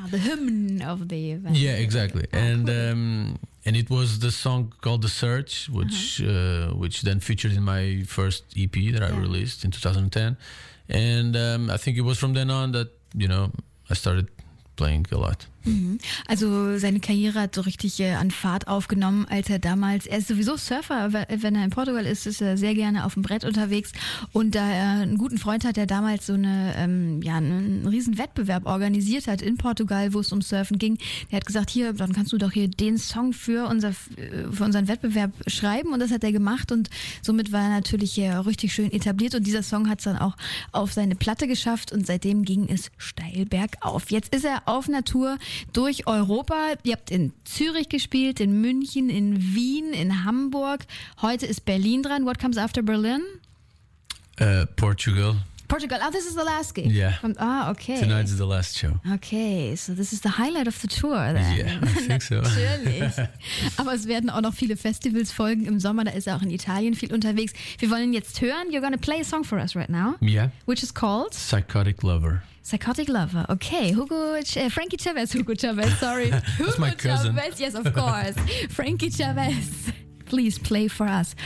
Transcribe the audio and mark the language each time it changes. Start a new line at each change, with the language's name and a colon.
English: Oh, the hymn of the event. Yeah, exactly. Oh, and cool. And it was the song called The Search, which uh-huh. Which then featured in my first EP that I released in 2010. And I think it was from then on that, you know, I started playing a lot.
German: Also seine Karriere hat so richtig an Fahrt aufgenommen, als er damals, er ist sowieso Surfer, wenn er in Portugal ist, ist er sehr gerne auf dem Brett unterwegs, und da er einen guten Freund hat, der damals so eine, einen riesen Wettbewerb organisiert hat in Portugal, wo es um Surfen ging, der hat gesagt, hier, dann kannst du doch hier den Song für unseren Wettbewerb schreiben, und das hat er gemacht, und somit war er natürlich richtig schön etabliert, und dieser Song hat es dann auch auf seine Platte geschafft, und seitdem ging es steil bergauf. Jetzt ist er auf Natur durch Europa. Ihr habt in Zürich gespielt, in München, in Wien, in Hamburg. Heute ist Berlin dran.
English: What comes after Berlin? Portugal. Portugal. Oh, this is the last gig. Yeah. Okay. Tonight is the last show. Okay, so this is the highlight of the tour then. Yeah, I think so.
German: Natürlich. Aber es werden auch noch viele Festivals folgen im Sommer. Da ist er auch in Italien viel unterwegs. Wir wollen jetzt hören.
English: You're going to play a song for us right now. Yeah. Which is called? Psychotic Lover. Psychotic Lover. Okay, Frankie Chavez. Hugo Chavez, sorry. That's my cousin. Chavez. Yes, of course. Frankie Chavez, please play for us.